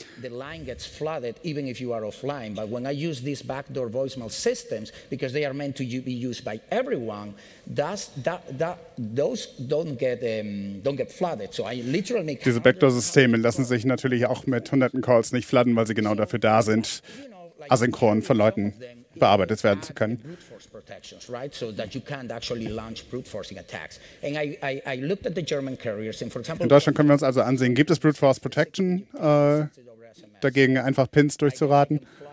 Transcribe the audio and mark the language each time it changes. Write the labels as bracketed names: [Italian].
[German] diese Backdoor-Systeme lassen sich natürlich auch mit hunderten Calls nicht flooden, weil sie genau dafür da sind, asynchron von Leuten bearbeitet werden zu können. [English] Protections, right? So that you can't actually launch brute forcing attacks. And I looked at the German carriers, and for example, [German] in Deutschland können wir uns also ansehen, gibt es brute force protection dagegen, einfach Pins durchzuraten?